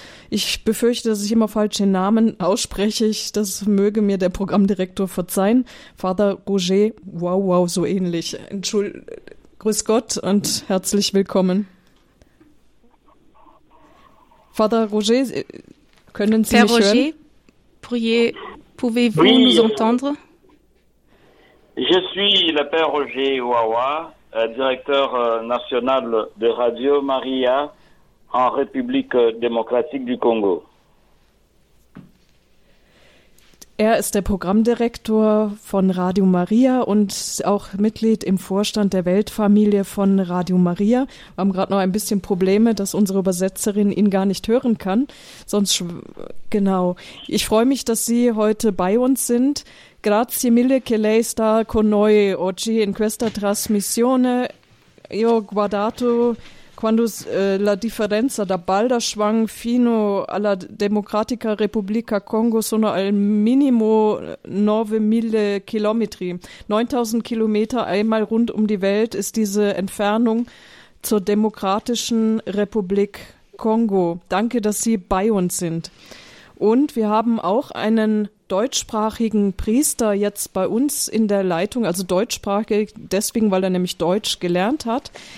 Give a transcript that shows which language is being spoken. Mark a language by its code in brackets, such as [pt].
[de] Ich befürchte, dass ich immer falsch den Namen ausspreche. Das möge mir der Programmdirektor verzeihen. Father Roger, wow, so ähnlich. Grüß Gott und herzlich willkommen. Father Roger, können Sie [fr] Père [de] mich [fr] Roger, [de] hören? [fr] Père Roger, pouvez-vous nous entendre? Je suis le Père Roger Ouawa. directeur national de Radio Maria en République démocratique du Congo. [de] Er ist der Programmdirektor von Radio Maria und auch Mitglied im Vorstand der Weltfamilie von Radio Maria. Wir haben gerade noch ein bisschen Probleme, dass unsere Übersetzerin ihn gar nicht hören kann. Genau. Ich freue mich, dass Sie heute bei uns sind. [it] Grazie mille che lei sta con noi oggi in questa trasmissione. Io guardato quando la differenza da Balderschwang fino alla Democratica Repubblica Congo sono al minimo 9.000 chilometri. [de] 9.000 Kilometer einmal rund um die Welt ist diese Entfernung zur Demokratischen Republik Kongo. Danke, dass Sie bei uns sind. Und wir haben auch einen deutschsprachigen Priester jetzt bei uns in der Leitung, also deutschsprachig, deswegen, weil er nämlich Deutsch gelernt hat.